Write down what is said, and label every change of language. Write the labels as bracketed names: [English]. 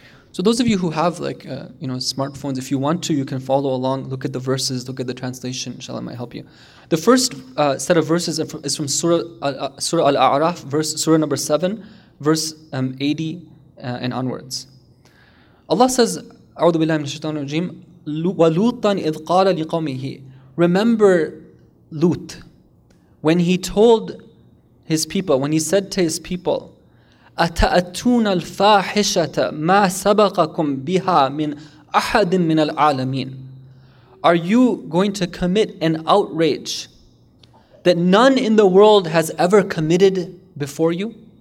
[English] So those of you who have like smartphones, if you want to, you can follow along, look at the verses, look at the translation, inshallah might help you. The first set of verses is from Surah Al-A'raf, Surah number 7, verse 80 and onwards. Allah says, [Arabic] أعوذ بالله من الشيطان الرجيم, وَلُوطًا إِذْ قَالَ لِقَوْمِهِ. [English] Remember Lut, when he told his people, when he said to his people, [Arabic] أَتَأَتُونَ الْفَاحِشَةَ مَا سَبَقَكُمْ بِهَا مِنْ أَحَدٍ مِنَ الْعَالَمِينَ. [English] Are you going to commit an outrage that none in the world has ever committed before you?